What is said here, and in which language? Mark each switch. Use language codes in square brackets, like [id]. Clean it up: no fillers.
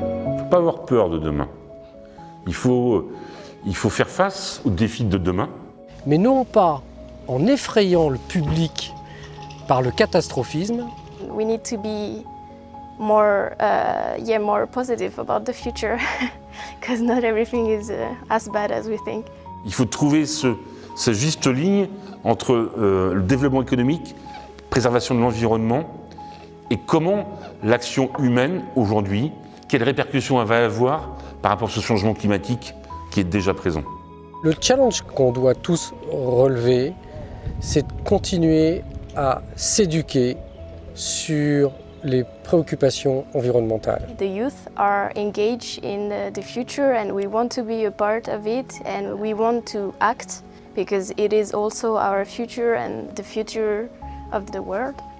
[fr] Il ne faut pas avoir peur de demain. Il faut faire face aux défis de demain. Mais non pas en effrayant le public par le catastrophisme. [en] We need to be more positive about the future, because not everything is as bad as we think. [fr] Il faut trouver cette juste ligne entre le développement économique, préservation de l'environnement, et comment l'action humaine aujourd'hui, quelles répercussions elle va avoir par rapport à ce changement climatique qui est déjà présent. Le challenge qu'on doit tous relever, c'est de continuer à s'éduquer sur les préoccupations environnementales. [en] The youth are engaged in the future and we want to be a part of it and we want to act because it is also our future and the future of the world.